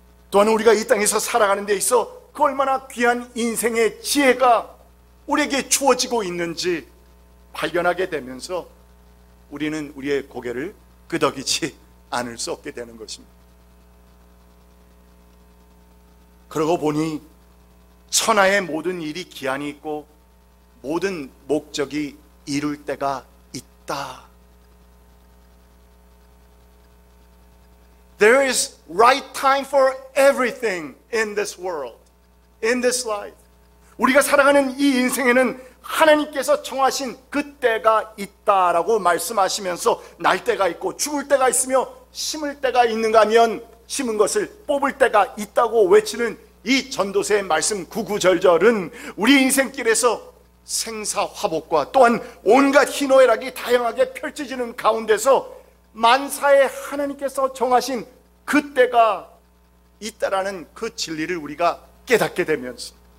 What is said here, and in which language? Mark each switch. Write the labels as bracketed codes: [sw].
[ko] 또한 우리가 이 땅에서 살아가는 데 있어 그 얼마나 귀한 인생의 지혜가 우리에게 주어지고 있는지 발견하게 되면서 우리는 우리의 고개를 끄덕이지 않을 수 없게 되는 것입니다. 그러고 보니 천하의 모든 일이 기한이 있고 모든 목적이 이룰 때가 있다. [en] There is right time for everything in this world, in this life. [ko] 우리가 살아가는 이 인생에는 하나님께서 정하신 그 때가 있다라고 말씀하시면서 날 때가 있고 죽을 때가 있으며 심을 때가 있는가 하면 심은 것을 뽑을 때가 있다고 외치는 이 전도서의 말씀 구구절절은 우리 인생길에서 생사화복과 또한 온갖 희노애락이 다양하게 펼쳐지는 가운데서 만사에 하나님께서 정하신 그 때가 있다라는 그 진리를 우리가 깨닫게 되면서